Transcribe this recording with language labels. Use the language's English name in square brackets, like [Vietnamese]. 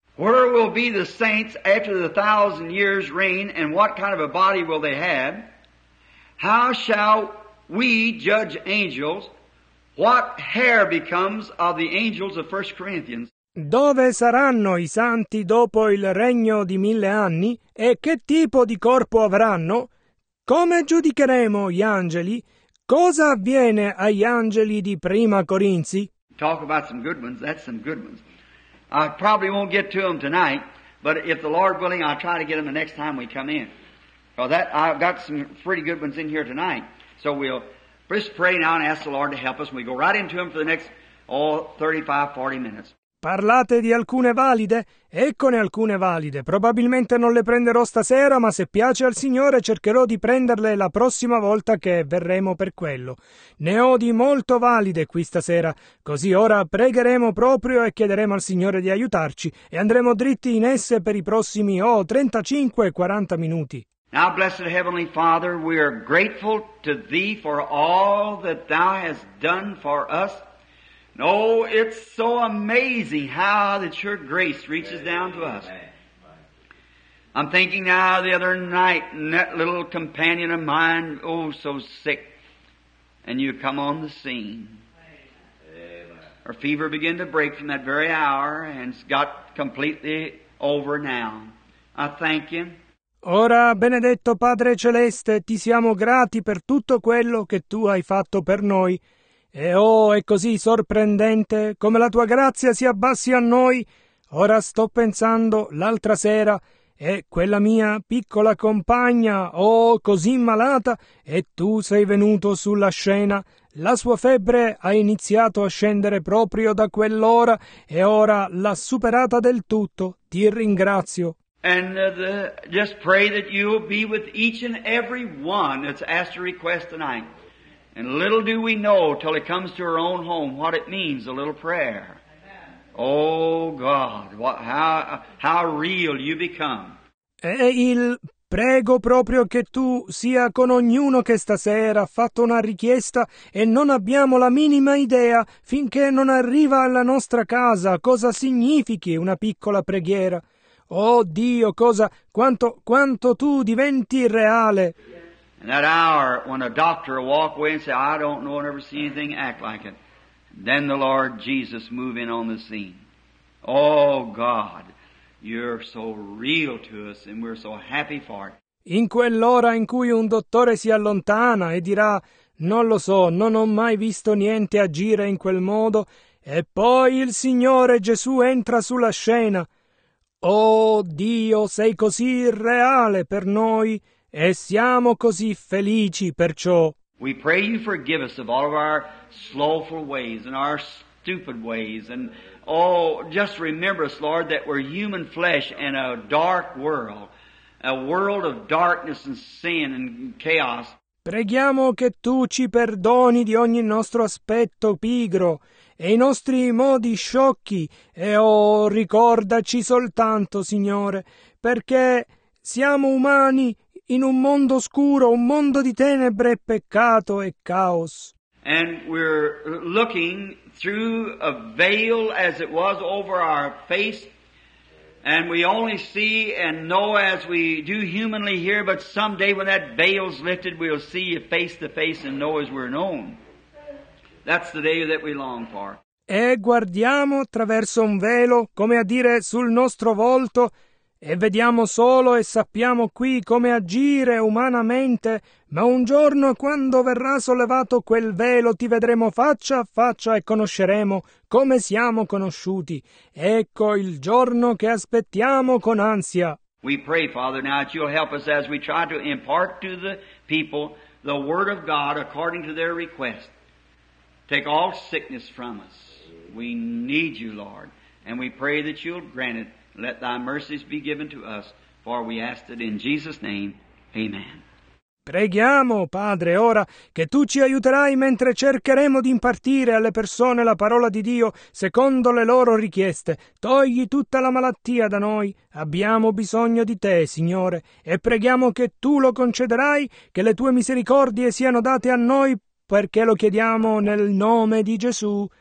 [English] Where will be the saints after the 1,000 years reign and what kind of a body will they have? How shall we judge angels? What hair becomes of the angels of 1 Corinthians? [Italian] Dove saranno i santi dopo il regno di 1000 anni? E che tipo di corpo avranno? Come giudicheremo gli angeli? Cosa avviene agli angeli di Prima Corinzi? [English] Talk about some good ones, that's some good ones. I probably won't get to them tonight, but if the Lord willing, I'll try to get them the next time we come in. Well, that, I've got some pretty good ones in here tonight. So we'll just pray now and ask the Lord to help us, and we go right into them for the next 35-40 minutes. [Italian] Parlate di alcune valide? Eccone alcune valide. Probabilmente non le prenderò stasera, ma se piace al Signore cercherò di prenderle la prossima volta che verremo per quello. Ne ho di molto valide qui stasera, così ora pregheremo proprio e chiederemo al Signore di aiutarci e andremo dritti in esse per i prossimi 35-40 minuti. [English] Now, blessed Heavenly Father, we are grateful to Thee for all that Thou hast done for us. No, it's so amazing how that your grace reaches down to us. I'm thinking now the other night, and that little companion of mine, oh, so sick, and you come on the scene. Her fever began to break from that very hour, and it's got completely over now. I thank you. [Italian] Ora, benedetto Padre Celeste, ti siamo grati per tutto quello che tu hai fatto per noi. E oh, è così sorprendente come la tua grazia si abbassi a noi. Ora sto pensando l'altra sera e quella mia piccola compagna, oh, così malata, e tu sei venuto sulla scena. La sua febbre ha iniziato a scendere proprio da quell'ora e ora l'ha superata del tutto. Ti ringrazio. [English] And just pray that you'll be with each and every one that's asked a request tonight. And little do we know till it comes to our own home what it means, a little prayer. Oh God, how real you become. [Italian] E il prego proprio che tu sia con ognuno che stasera ha fatto una richiesta e non abbiamo la minima idea finché non arriva alla nostra casa cosa significhi una piccola preghiera. Oh Dio, cosa, quanto tu diventi reale. [English] And that hour when a doctor will walk away and say, I don't know, I've never seen anything act like it. Then the Lord Jesus move in on the scene. Oh God, you're so real to us and we're so happy for it. [Italian] In quell'ora in cui un dottore si allontana e dirà, non lo so, non ho mai visto niente agire in quel modo, e poi il Signore Gesù entra sulla scena. Oh Dio, sei così reale per noi e siamo così felici perciò. [English] We pray you forgive us of all of our slothful ways and our stupid ways. And oh, just remember us, Lord, that we're human flesh in a dark world, a world of darkness and sin and chaos. [Italian] Preghiamo che tu ci perdoni di ogni nostro aspetto pigro e i nostri modi sciocchi. E oh, ricordaci soltanto, Signore, perché siamo umani in un mondo scuro, un mondo di tenebre, peccato e caos. [English] And we're looking through a veil as it was over our face, and we only see and know as we do humanly here, but someday when that veil's lifted, we'll see you face to face and know as we're known. That's the day that we long for. [Italian] E guardiamo attraverso un velo, come a dire sul nostro volto, e vediamo solo e sappiamo qui come agire umanamente, ma un giorno quando verrà sollevato quel velo ti vedremo faccia a faccia e conosceremo come siamo conosciuti. Ecco il giorno che aspettiamo con ansia. [English] We pray, Father, now that you'll help us as we try to impart to the people the word of God according to their request. Take all sickness from us. We need you, Lord, and we pray that you'll grant it. Let thy mercies be given to us, for we ask it in Jesus' name. Amen. [Italian] Preghiamo, Padre, ora, che tu ci aiuterai mentre cercheremo di impartire alle persone la parola di Dio secondo le loro richieste. Togli tutta la malattia da noi. Abbiamo bisogno di te, Signore, e preghiamo che tu lo concederai, che le tue misericordie siano date a noi, perché lo chiediamo nel nome di Gesù.